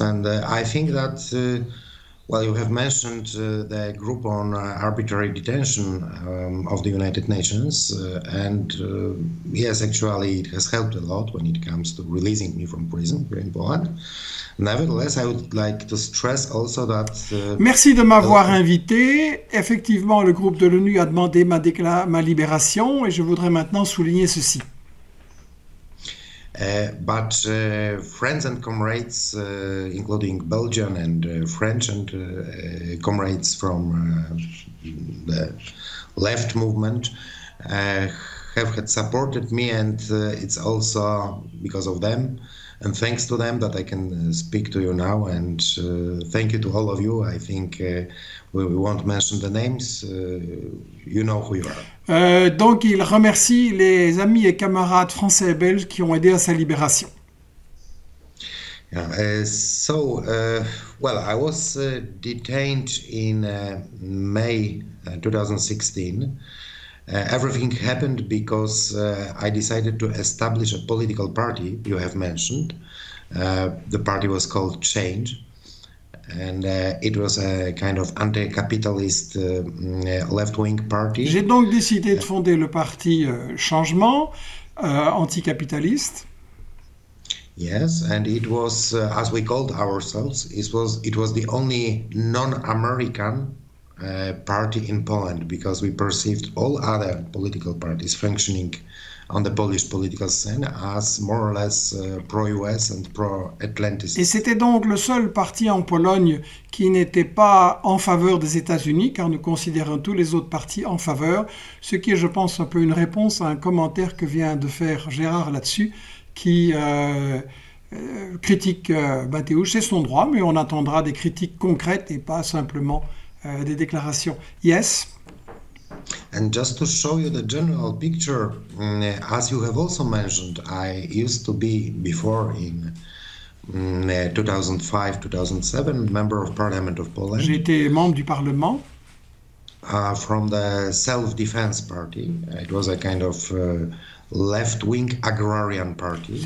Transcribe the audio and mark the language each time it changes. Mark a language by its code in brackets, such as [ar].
[en] And I think that, well, you have mentioned the group on arbitrary detention of the United Nations, and yes, actually, it has helped a lot when it comes to releasing me from prison here in Poland. Nevertheless, I would like to stress also that [fr] Merci de m'avoir invité. Effectivement, le groupe de l'ONU a demandé ma libération et je voudrais maintenant souligner ceci. [en] But friends and comrades, including Belgian and French and comrades from the left movement, have had supported me, and it's also because of them and thanks to them that I can speak to you now. And thank you to all of you. I think we won't mention the names. You know who you are. [fr] Donc, il remercie les amis et camarades français et belges qui ont aidé à sa libération. [en] Well, I was detained in May 2016. Everything happened because I decided to establish a political party, you have mentioned. The party was called Change, and it was a kind of anti-capitalist left-wing [fr] J'ai [en] party. [fr] donc décidé de fonder le parti Changement anticapitaliste. [en] Yes, and it was, as we called ourselves, it was the only non-American party in Poland, because we perceived all other political parties functioning on the Polish political scene as more or less pro-US and [fr] Et [en] pro-Atlanticist. [fr] c'était donc le seul parti en Pologne qui n'était pas en faveur des États-Unis, car nous considérons tous les autres partis en faveur, ce qui est, je pense, un peu une réponse à un commentaire que vient de faire Gérard là-dessus, qui critique Mateusz. C'est son droit, mais on attendra des critiques concrètes et pas simplement des déclarations. [en] Yes. And just to show you the general picture, as you have also mentioned, I used to be before in 2005-2007 member of Parliament of [fr] J'ai [en] Poland [fr] été membre du Parlement. [en] from the Self-Defense Party. It was a kind of left-wing agrarian party